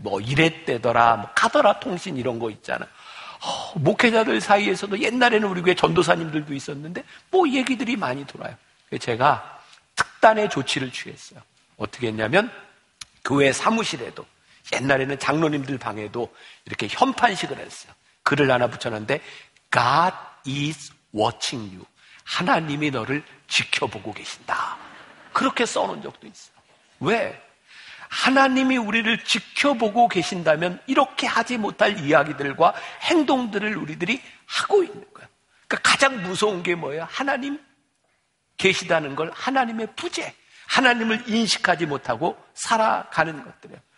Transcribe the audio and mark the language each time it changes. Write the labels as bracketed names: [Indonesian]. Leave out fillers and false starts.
[Korean] 뭐 이랬대더라, 뭐 카더라 통신 이런 거 있잖아요. 목회자들 사이에서도 옛날에는 우리 교회 전도사님들도 있었는데 뭐 얘기들이 많이 돌아요. 제가 특단의 조치를 취했어요. 어떻게 했냐면 교회 사무실에도, 옛날에는 장로님들 방에도 이렇게 현판식을 했어요. 글을 하나 붙여놨는데 [English] God is watching you. [Korean] 하나님이 너를 지켜보고 계신다. 그렇게 써놓은 적도 있어요. 왜? 하나님이 우리를 지켜보고 계신다면 이렇게 하지 못할 이야기들과 행동들을 우리들이 하고 있는 거야. 그러니까 가장 무서운 게 뭐예요? 하나님 계시다는 걸, 하나님의 부재, 하나님을 인식하지 못하고 살아가는 것들이에요.